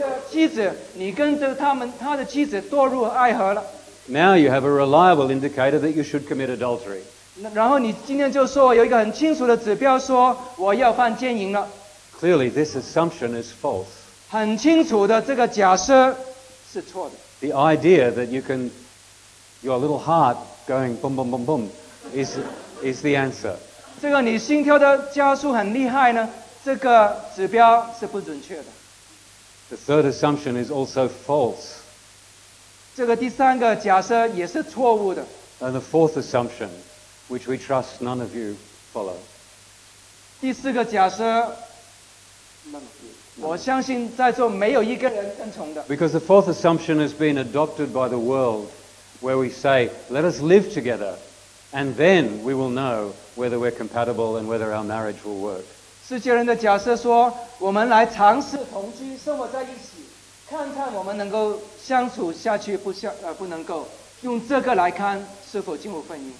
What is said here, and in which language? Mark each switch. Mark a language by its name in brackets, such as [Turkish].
[Chinese] 妻子，你跟着他的妻子堕入爱河了。 [English] Now you have a reliable indicator that you should commit adultery. [Chinese] 然后你今天就说我有一个很清楚的指标，说我要犯奸淫了。 [English] Clearly, this assumption is false. [Chinese] 很清楚的，这个假设是错的。 [English] The idea that you can, your little heart going boom boom boom boom, is the answer. [Chinese] 这个你心跳的加速很厉害呢，这个指标是不准确的。 [English] The third assumption is also false. [Chinese] 这个第三个假设也是错误的。 [English] And the fourth assumption, which we trust none of you follow. [Chinese] 第四个假设，我相信在座没有一个人认同的。 [English] Because the fourth assumption has been adopted by the world, where we say, let us live together, and then we will know whether we're compatible and whether our marriage will work. [Chinese] 世界人的假设说我们来尝试同居生活在一起看看我们能够相处下去 不能够用这个来看是否进入婚姻